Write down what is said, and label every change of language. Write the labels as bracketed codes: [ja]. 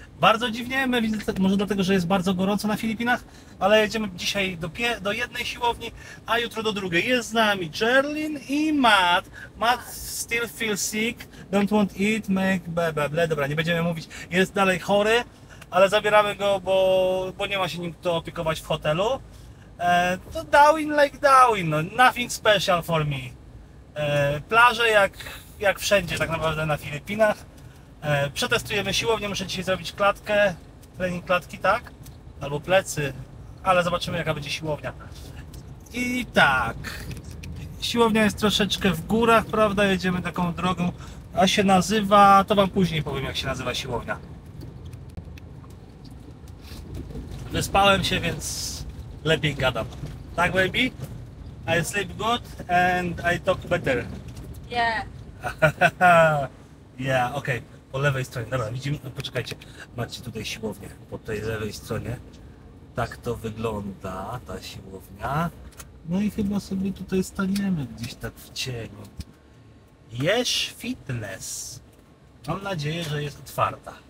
[pl] Bardzo dziwnie, może dlatego, że jest bardzo gorąco na Filipinach, ale jedziemy dzisiaj do jednej siłowni, a jutro do drugiej. Jest z nami Jerlin i Matt. [en] Matt still feels sick, don't want eat, make bebe, ble, [pl] dobra, nie będziemy mówić. Jest dalej chory, ale zabieramy go, bo nie ma się nim kto opiekować w hotelu. [en] To Darwin like Darwin, no, nothing special for me. [pl] Plaże jak wszędzie tak naprawdę na Filipinach. Przetestujemy siłownię, muszę dzisiaj zrobić klatkę, trening klatki, tak? Albo plecy, ale zobaczymy jaka będzie siłownia. I tak, siłownia jest troszeczkę w górach, prawda? Jedziemy taką drogą, a się nazywa, to wam później powiem jak się nazywa siłownia. Wyspałem się, więc lepiej gadam. Tak, baby? [en] I sleep good and I talk better. Yeah. Yeah, okay. [pl] Po lewej stronie, dobra, widzimy, no poczekajcie, macie tutaj siłownię, po tej lewej stronie, tak to wygląda, ta siłownia, no i chyba sobie tutaj staniemy gdzieś tak w cieniu. Jesz Fitness, mam nadzieję, że jest otwarta.